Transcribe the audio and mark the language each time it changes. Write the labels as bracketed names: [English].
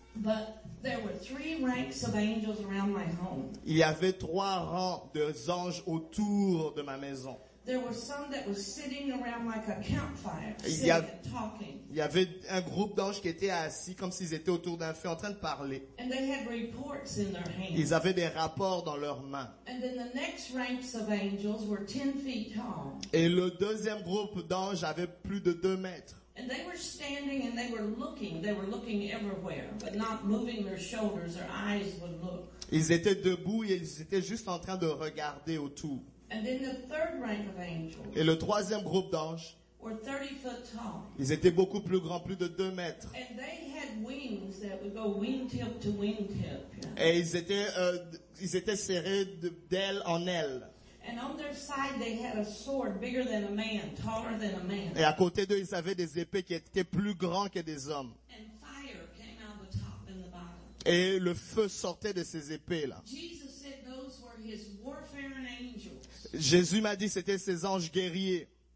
[English] But there were three ranks of angels around my home. [French] Il y avait trois rangs de anges autour de ma maison. [English] There were some that were sitting around like a campfire, talking. [French] Il y avait un groupe d'anges qui étaient assis comme s'ils étaient autour d'un feu en train de parler. [English] And they had reports in their hands. [French] Ils avaient des rapports dans leurs mains. [English] And then the next ranks of angels were 10 feet tall. [French] Et le deuxième groupe d'anges avait plus de 2 mètres. [English] And they were standing and they were looking. They were looking everywhere, but not moving their shoulders. Their eyes would look. [French] Ils étaient debout et ils étaient juste en train de regarder autour. [English] And then the third rank of angels. [French] Et le troisième groupe d'anges. [English] Were 30 foot tall. [French] Ils étaient beaucoup plus grands, plus de 2 mètres. [English] And they had wings that would go wingtip to wingtip. [French] Et ils étaient serrés d'aile en aile. [English] And on their side they had a sword bigger than a man, taller than a man. [French] Et à côté d'eux, ils avaient des épées qui étaient plus grands que des hommes. [English] And fire came out the top and the bottom. [French] Et le feu sortait de ces épées là. [English] Jesus said those were his warfare and angels. [French] Jésus m'a dit c'était ses anges guerriers.